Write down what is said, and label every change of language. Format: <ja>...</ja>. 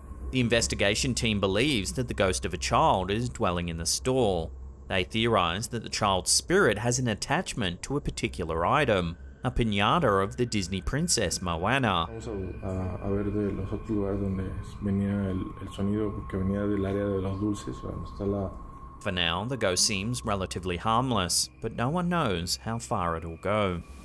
<en>The investigation team believes that the ghost of a child is dwelling in the stall. They theorize that the child's spirit has an attachment to a particular item, a piñata of the Disney princess Moana.</en> <es>A ver de los otros lugares donde venía el sonido, porque venía del área de los dulces, donde está la...</es> <en>For now, the ghost seems relatively harmless, but no one knows how far it'll go.</en>